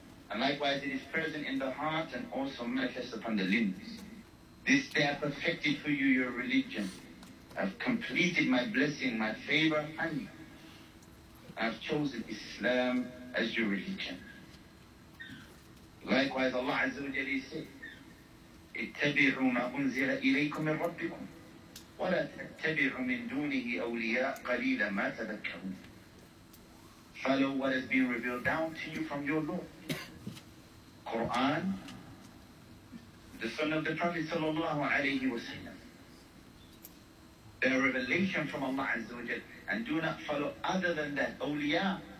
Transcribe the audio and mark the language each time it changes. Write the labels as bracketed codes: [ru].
[en] And likewise, it is present in the heart and also manifest upon the limbs. This day I perfected for you your religion. I've completed my blessing, my favor, and I've chosen Islam as your religion. Likewise, Allah Azza wa Jalla said, [ar] اتبعوا ما أنزل إليكم من ربكم ولا تتبعوا من دونه أولياء قليلا ما تذكرون. [en] Follow what has been revealed down to you from your Lord. Quran, the Son of the Prophet sallallahu alayhi wa sallam. The revelation from Allah Azza wa Jalla, and do not follow other than that, awliya.